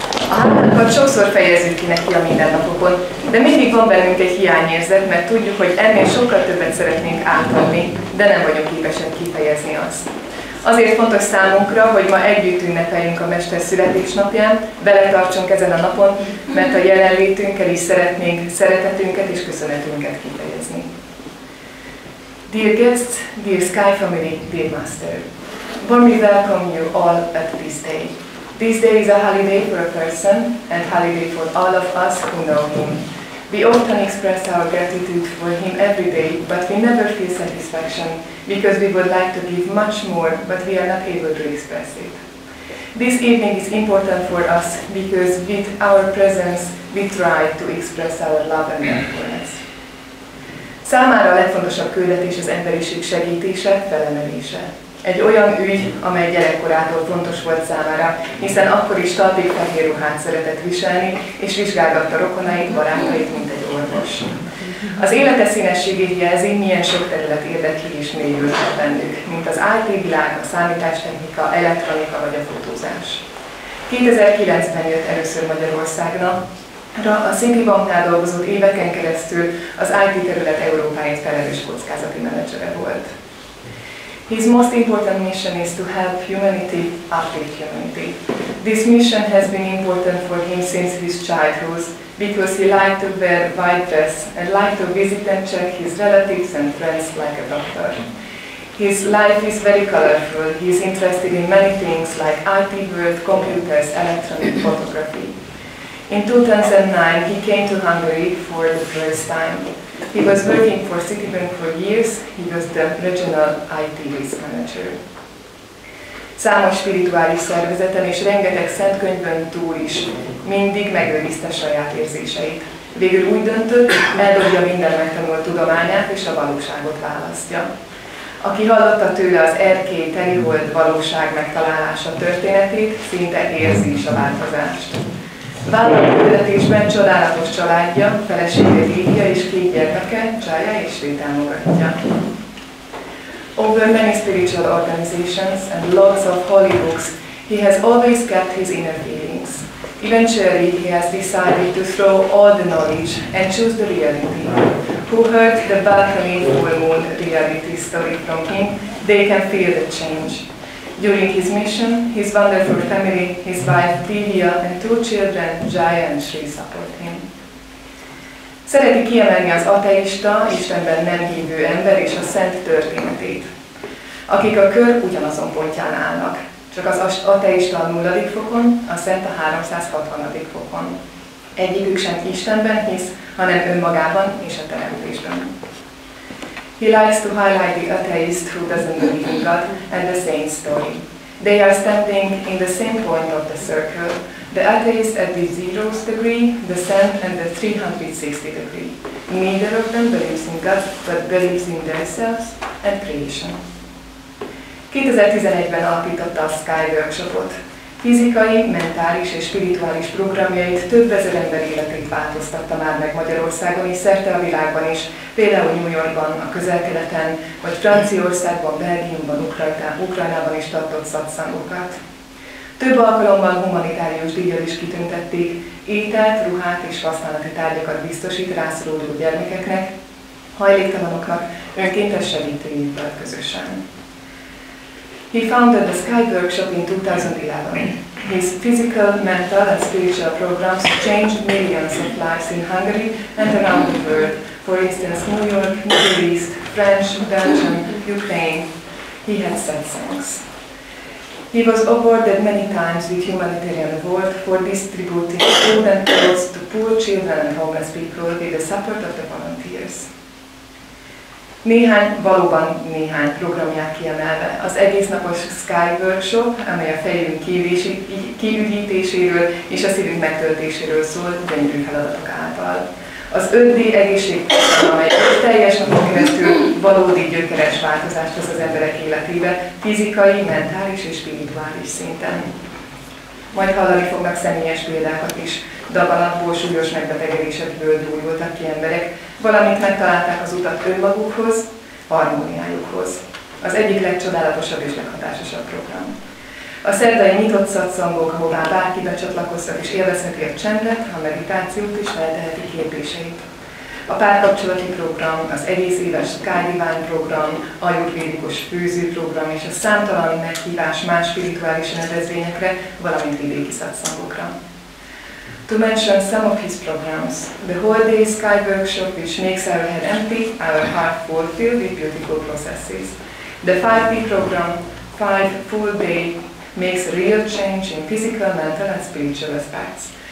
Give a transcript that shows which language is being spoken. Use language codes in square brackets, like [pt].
[hu] A hálánkat sokszor fejezzük ki neki a mindennapokon, de mindig van bennünk egy hiányérzet, mert tudjuk, hogy ennél sokkal többet szeretnénk átadni, de nem vagyunk képesek kifejezni azt. Azért fontos számunkra, hogy ma együtt ünnepeljünk a Mester születésnapján, beletartsunk ezen a napon, mert a jelenlétünkkel is szeretnénk szeretetünket és köszönetünket kifejezni. [en] Dear guests, dear Sky family, dear Master, warmly welcome you all at this day. This day is a holiday for a person and holiday for all of us who know him. We often express our gratitude for him every day, but we never feel satisfaction because we would like to give much more, but we are not able to express it. This evening is important for us because with our presence we try to express our love and thankfulness. [hu] Számára a legfontosabb küldetés az emberiség segítése, felemelése. Egy olyan ügy, amely gyerekkorától fontos volt számára, hiszen akkor is talpig fehér ruhát szeretett viselni, és vizsgálgatta rokonait, barátait, mint egy orvos. Az élete színességét jelzi, milyen sok terület érdekli és mélyülte bennük, mint az IT-világ, a számítástechnika, elektronika vagy a fotózás. 2009-ben jött először Magyarországra, a City Banknál dolgozott éveken keresztül az IT-terület Európáért felelős kockázati menedzsere volt. [en] His most important mission is to help humanity update humanity. This mission has been important for him since his childhood because he liked to wear white dress and liked to visit and check his relatives and friends like a doctor. His life is very colorful. He is interested in many things like IT world, computers, electronic photography. In 2009, he came to Hungary for the first time. He was working for Citibank for years, he was the regional IT risk manager. [hu] Számos spirituális szervezeten és rengeteg szentkönyvön túl is mindig megőrizte saját érzéseit. Végül úgy döntött, eldobja minden megtanult tudományát és a valóságot választja. Aki hallotta tőle az erkély teli volt valóság megtalálása történetét, szinte érzi is a változást. Vállalt küldetésben csodálatos családja, felesége Lívia és két gyermeke, Csája és Svét támogatja. [en] Over many spiritual organizations and lots of holy books, he has always kept his inner feelings. Eventually, he has decided to throw all the knowledge and choose the reality. Who heard the balcony full moon reality story from him, they can feel the change. During his mission, his wonderful family, his wife Divya and two children, Jaya and Sri, support him. [hu] Szereti kiemelni az ateista, Istenben nem hívő ember és a szent történetét. Akik a kör ugyanazon pontján állnak, csak az ateista a 0. fokon, a szent a 360. fokon. Egyikük sem Istenben hisz, hanem önmagában és a teremtésben. [en] He likes to highlight the atheist who doesn't believe in God and the saint's story. They are standing in the same point of the circle, the atheist at the 0th degree, the saint at the 360 degree. Neither of them believes in God, but believes in themselves and creation. [hu] 2011-ben alapította a Sky Workshopot. Fizikai, mentális és spirituális programjait több ezer ember életét változtatta már meg Magyarországon és szerte a világban is, például New Yorkban, a Közel-Keleten, vagy Franciaországban, Belgiumban, Ukrajnában is tartott szatszangokat. Több alkalommal humanitárius díjjal is kitüntették, ételt, ruhát és használati tárgyakat biztosít rászoruló gyermekeknek, hajléktalanoknak, önkéntes segítőjével közösen. [en] He founded the Sky Workshop in 2011. His physical, mental and spiritual programs changed millions of lives in Hungary and around the world. For instance, New York, Middle East, French, Belgium, Ukraine. He had said thanks. He was awarded many times with humanitarian award for distributing food and clothes to poor children and homeless people with the support of the volunteers. [hu] Néhány, valóban néhány programját kiemelve. Az egésznapos Sky Workshop, amely a fejünk kiürítéséről és a szívünk megtöltéséről szól, gyönyörű feladatok által. Az 5D egészségprogram, amely teljes napon keresztül valódi gyökeres változást hoz az emberek életébe, fizikai, mentális és spirituális szinten. Majd hallani fognak személyes példákat is. Dagalapból, súlyos megbetegedésekből gyógyultak ki emberek, valamint megtalálták az utat önmagukhoz, harmóniájukhoz. Az egyik legcsodálatosabb és leghatásosabb program. A szerdai nyitott szatszangok, ahová bárki becsatlakoztak és élvezheti a csendet, a meditációt és felteheti kérdéseit. A párkapcsolati program, az egész éves kárdiván program, ajurvédikus főző program és a számtalan meghívás más spirituális rendezvényekre, valamint vidéki szatszangokra. [en] To mention some of his programs, the whole day sky workshop which makes our head empty, our heart full, filled with beautiful processes. The 5D program, 5 full day, makes real change in physical, mental and spiritual aspects.